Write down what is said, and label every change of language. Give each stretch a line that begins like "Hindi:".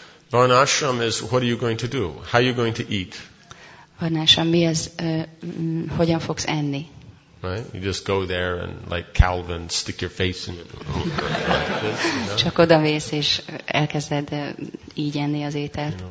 English: Varnashram is, what are you going to do? How are you going to eat?
Hungarian: Varnashram, mi az, hogyan fogsz enni?
English: Right? You just go there and, like Calvin, stick your face in it.
Hungarian: Csak oda mész és elkezded így enni az ételt.